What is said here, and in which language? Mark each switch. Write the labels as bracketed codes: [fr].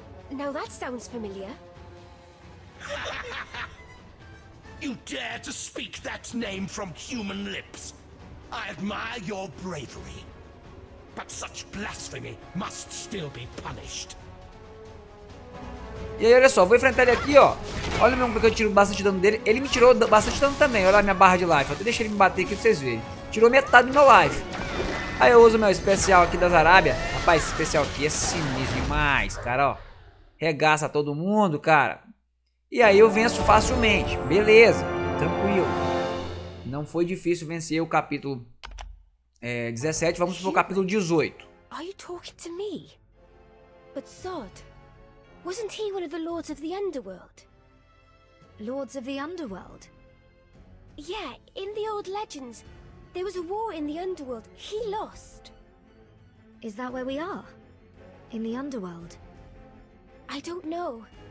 [en] Now that sounds familiar. You dare to speak that name from human lips? I admire your bravery, but such blasphemy must still be punished. [pt] E aí, olha só, vou enfrentar ele aqui, ó. Olha mesmo porque eu tiro bastante dano dele. Ele me tirou bastante dano também. Olha a minha barra de life. Até deixei ele me bater aqui pra vocês verem. Tirou metade do meu life. Aí eu uso meu especial aqui das Arábia. Rapaz, esse especial aqui é sinistro demais, cara, ó. Regaça todo mundo, cara. E aí eu venço facilmente. Beleza, tranquilo. Não foi difícil vencer o capítulo 17, vamos pro capítulo 18. [en] Are you talking to me? But Zod, wasn't he one of the lords of the underworld? Lords of the Underworld. Yeah, in the old legends, there was a war in the Underworld. He lost. Is that where we are? In the Underworld? I don't know.